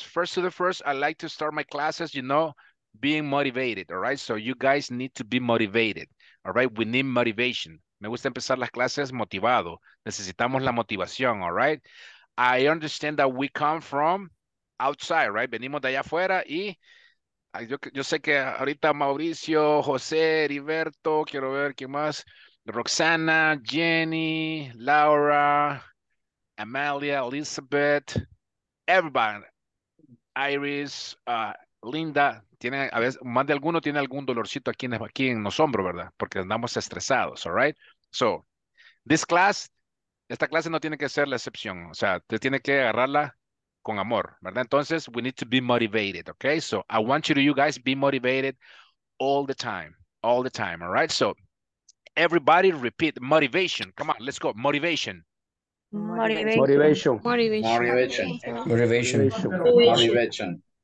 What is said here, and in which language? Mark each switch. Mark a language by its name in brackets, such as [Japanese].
[English] First to the first, I like to start my classes, you know, being motivated. All right. So you guys need to be motivated. All right. We need motivation. [Spanish] Me gusta empezar las clases motivado. Necesitamos la motivación, [English] all right? I understand that we come from outside, right? [Spanish] Venimos de allá afuera y yo sé que ahorita Mauricio, José, Heriberto, quiero ver quién más, Roxana, Jenny, Laura, Amalia, Elizabeth, everybody, Iris, Linda, tienen, a veces, más de alguno tiene algún dolorcito aquí en los hombros, ¿verdad? Porque andamos estresados, [English] all right? So, this class, [Spanish] esta clase no tiene que ser la excepción. O sea, usted tiene que agarrarla con amor, ¿verdad? Entonces, [English] we need to be motivated, okay? So, I want you guys be motivated all the time, all right? So, everybody repeat motivation. Come on, let's go. Motivation. Motivation. Motivation. Motivation. Motivation. Motivation. Motivation.